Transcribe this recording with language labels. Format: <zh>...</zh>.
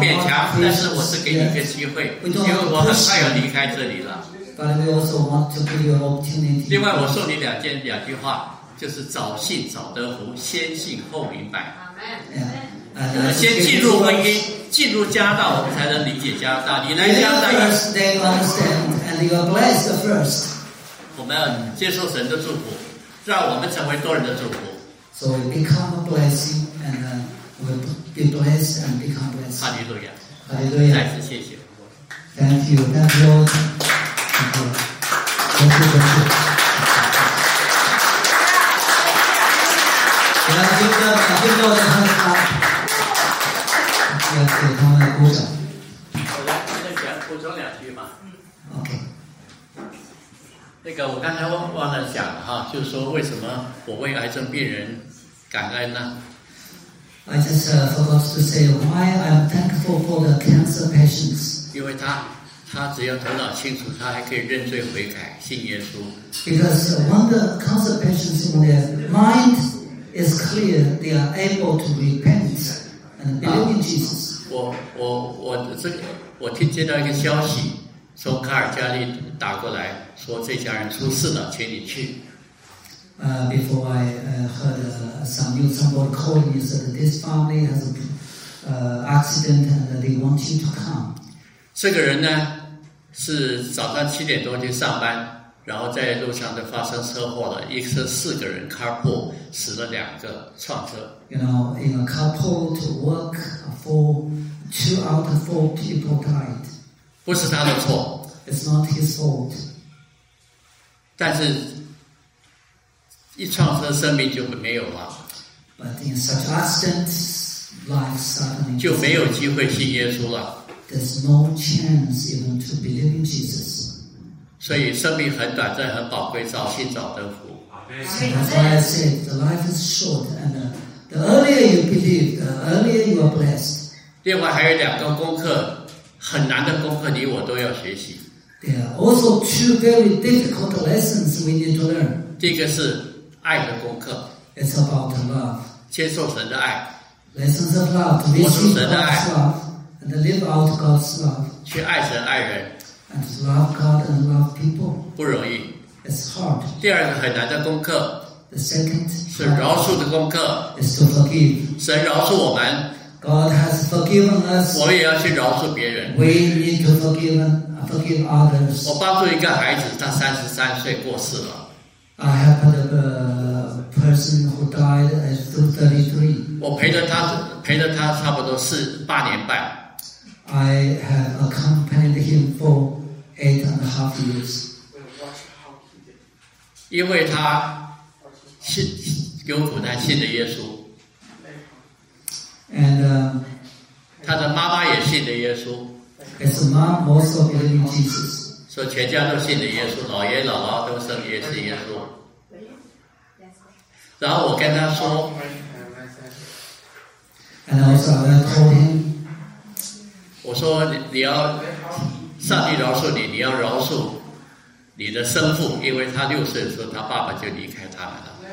<en>not Christians?</en> <zh>不勉强，但是我是给你一个机会，</zh> <en>yes.</en> <zh>因为我很快要离开这里了。</zh> <en>But we also want to give you an opportunity.</en> <zh>另外，我送你两句话，就是早信早得福，先信后明白。</zh> <en>Amen.</en> <zh>我们先进入婚姻，进入加拿大，我们才能理解加拿大。你来加拿大</zh> <en>，First they understand, and you are blessed first.</en> <zh>我们要接受神的祝福，让我们成为多人的祝福。</zh> <en>So we become a blessing, and we be blessed and become blessed.</en> <zh>哈利路亚，哈利路亚，再次谢谢。</zh> <en>Thank you, thank you, Lord. Thank you, thank you, thank you. Thank you, thank you, thank you.</en> <zh>要给他们鼓掌。我来，再讲补充两句嘛。</zh> <en>OK.</en> <zh>那个我刚才忘了讲哈，就是说为什么我为癌症病人感恩呢</zh> <en>？I just forgot to say why I'm thankful for the cancer patients.</en> <zh>因为他只要头脑清楚，他还可以认罪悔改，信耶稣。</zh> <en>Because when the cancer patients, when their mind is clear, they are able to repent and believe in Jesus.</en> <zh>我听接到一个消息。从卡尔加里打过来说这家人出事了请你去。</zh> <en>Before I heard some news, somebody called me said this family has an accident and they want you to come.</en> <zh>这个人呢是早上七点多就上班然后在路上就发生车祸了一车四个人 carpool 死了两个撞车。</zh> <en>You know, in a carpool to work, two out of four people died.</en> <zh>不是他的错</zh> <en>It's not his fault.</en> <zh>但是一撞车生命就没有了</zh> <en>But in such accident life suddenly</en> <zh>就没有机会信耶稣了</zh> <en>There's no chance even to believe in Jesus.</en> <zh>所以生命很短暂很宝贵早信早得福</zh> <en>So that's why I said the life is short and The earlier you believe, the earlier you are blessed.</en> <zh>另外还有两个功课，很难的功课，你我都要学习。</zh> <en>There are also two very difficult lessons we need to learn.</en> <zh>这个是爱的功课。</zh> <en>It's about love.</en> <zh>接受神的爱。</zh> <en>Lessons of love.</en> <zh>接受神的爱。</zh> <en>And live out God's love.</en> <zh>去爱神爱人。</zh> <en>And love God and love people.</en> <zh>不容易。</zh> <en>It's hard.</en> <zh>第二个很难的功课。</zh> <en>The second.</en> <zh>是饶恕的功课。</zh> <en>Is to forgive.</en> <zh>神饶恕我们。</zh> <en>God has forgiven us.</en> <zh>我也要去饶恕别人。</zh> <en>We need to forgive, forgive others.</en> <zh>我帮助一个孩子，他33岁过世了。</zh> <en>I helped a person who died at 33.</en> <zh>我陪着他差不多八年半。</zh> <en>I have accompanied him for 8.5 years.</en> <zh>因为他信，有苦难信的耶稣。</zh> <en>And,</en> <zh>他的妈妈也信的耶稣。</zh> <en>His mom also believed Jesus.</en> <zh>说全家都信的耶稣，老爷姥姥都信也是耶稣。然后我跟他说</zh> <en>，And also I told him,</en> <zh>我说你要上帝饶恕你，你要饶恕你的生父，因为他六岁的时候他爸爸就离开他了。</zh>